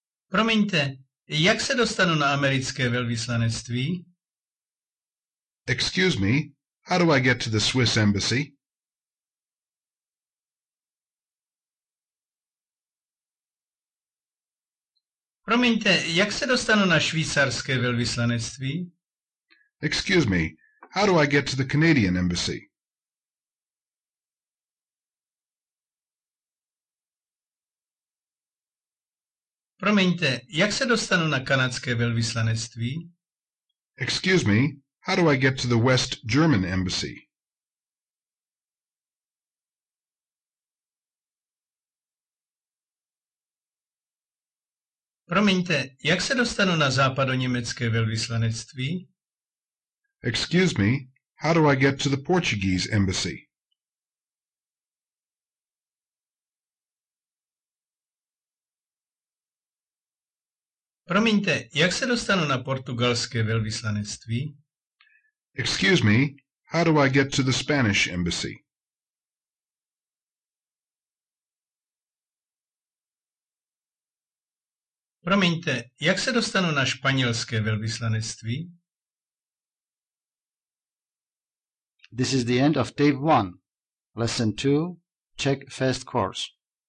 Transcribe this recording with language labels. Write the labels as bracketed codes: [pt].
[cs] Promiňte, jak se dostanu na americké velvyslanectví? [en] Excuse me, how do I get to the Swiss Embassy? [cs] Promiňte, jak se dostanu na švýcarské velvyslanectví? [en] Excuse me, how do I get to the Canadian Embassy? [cs] Promiňte, jak se dostanu na kanadské velvyslanectví? [en] Excuse me, how do I get to the West German Embassy? [cs] Promiňte, jak se dostanu na západoněmecké velvyslanectví? [en] Excuse me, how do I get to the Portuguese Embassy? [cs] Promiňte, jak se dostanu na portugalské velvyslanectví? [en] Excuse me, how do I get to the Spanish Embassy? [cs] Promiňte, jak se dostanu na španělské velvyslanectví? [en] This is the end of tape 1, lesson 2, Czech first course.